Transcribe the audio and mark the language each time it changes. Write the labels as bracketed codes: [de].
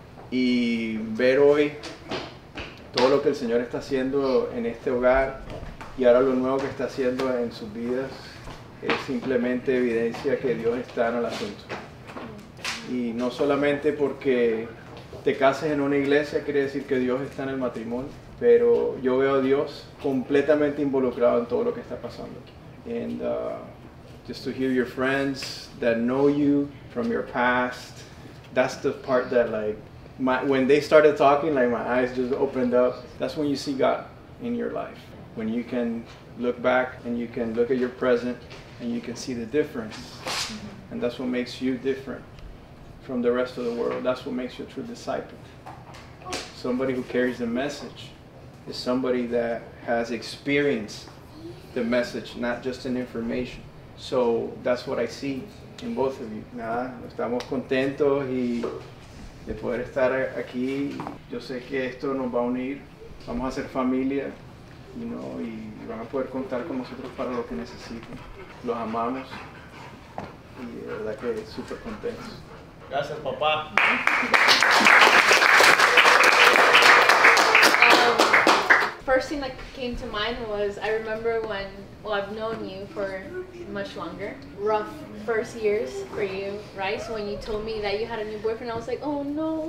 [es] Y ver hoy todo lo que el Señor está haciendo en este hogar y ahora lo nuevo que está haciendo en sus vidas es simplemente evidencia que Dios está en el asunto. Y no solamente porque te cases en una iglesia quiere decir que Dios está en el matrimonio, pero yo veo a Dios completamente involucrado en todo lo que está pasando aquí. [en] And just to hear your friends that know you from your past, that's the part that like, when they started talking, like my eyes just opened up. That's when you see God in your life. When you can look back and you can look at your present and you can see the difference. And that's what makes you different from the rest of the world. That's what makes you a true disciple. Somebody who carries the message is somebody that has experienced the message, not just an information. So that's what I see in both of you. [es] Nada, estamos contentos y de poder estar aquí. Yo sé que esto nos va a unir. Vamos a ser familia, you know, y van a poder contar con nosotros para lo que necesiten. Los amamos y de verdad que súper contentos. Gracias, papá. [en] First thing that came to mind was I remember when, well, I've known you for much longer. Rough first years for you, right? So when you told me that you had a new boyfriend, I was like, oh no.